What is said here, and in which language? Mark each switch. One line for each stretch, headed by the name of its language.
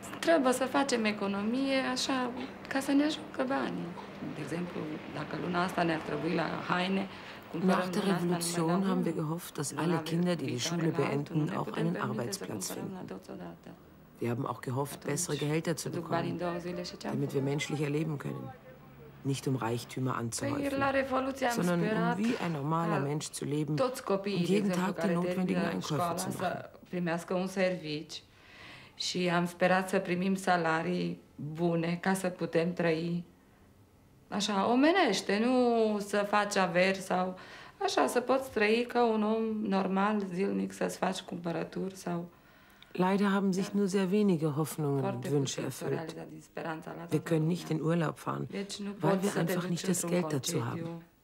Romanian: Trebuie să facem economie așa, ca să ne ajungă banii. De exemplu, dacă luna asta ne-ar trebui la haine,
German: nach der Revolution haben wir gehofft, dass alle Kinder, die die Schule beenden, auch einen Arbeitsplatz finden. Wir haben auch gehofft, bessere Gehälter zu bekommen, damit wir menschlich erleben können. Nicht um Reichtümer anzuhäufen, sondern um wie ein normaler Mensch zu leben und jeden Tag die notwendigen Einkäufe zu machen.
Romanian: Primească un serviciu și am sperat să primim salarii bune ca să putem trăi așa omenește, nu să faci averi sau așa să poți trăi ca un om normal zilnic să-ți faci cumpărături sau.
German: Leider haben sich nur sehr wenige Hoffnungen und Wünsche erfüllt. Wir können nicht in Urlaub fahren, weil wir einfach nicht das Geld dazu haben.